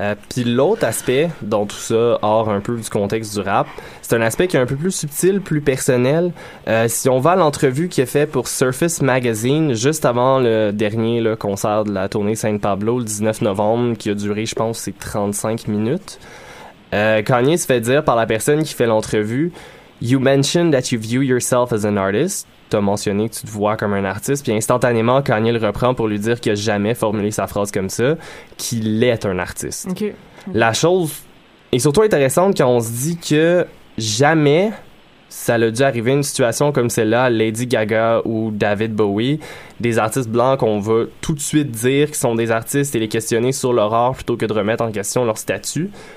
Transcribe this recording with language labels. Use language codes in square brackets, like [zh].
[fr] Puis l'autre aspect dans tout ça, hors un peu du contexte du rap, c'est un aspect qui est un peu plus subtil, plus personnel. Si on va à l'entrevue qu'il a fait pour Surface Magazine, juste avant le dernier là, concert de la tournée San Pablo, le 19 novembre, qui a duré, je pense, c'est 35 minutes, Kanye se fait dire par la personne qui fait l'entrevue, [en] You mentioned that you view yourself as an artist. [fr] T'as mentionné que tu te vois comme un artiste, puis instantanément, Kanye le reprend pour lui dire qu'il a jamais formulé sa phrase comme ça, qu'il est un artiste. Okay. La chose est surtout intéressante quand on se dit que jamais ça l'a dû arriver une situation comme celle-là, Lady Gaga ou David Bowie, des artistes blancs qu'on veut tout de suite dire qu'ils sont des artistes et les questionner sur leur art plutôt que de remettre en question leur statut.